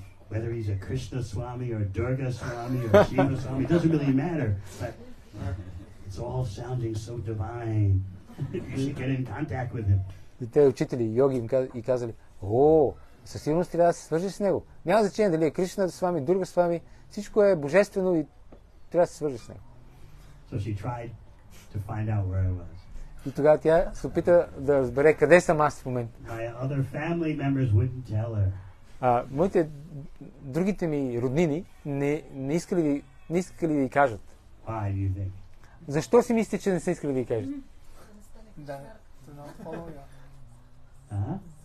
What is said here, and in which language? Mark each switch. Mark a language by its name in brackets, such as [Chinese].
[English] Whether he's a Krishna Swami or Durga Swami or Shiva Swami, it doesn't really matter. But it's all sounding so divine. You should get in contact with him. [Bulgarian] И те учители, йоги им казали, със сигурност трябва да се свържеш с него. Няма значение дали е Кришна с вами, Дурга с вами, всичко е божествено и трябва да се свържеш с него. [English] So she tried to find out where I was. [Bulgarian] И тогава тя се опита да разбере къде съм аз в момента. [English] My other family members wouldn't tell her. [Bulgarian] Моите другите ми роднини не искали да ги кажат. [English] Why do you think? [Bulgarian] Защо си мислите, че не са искали да ги кажат? Да, [English] to not follow you.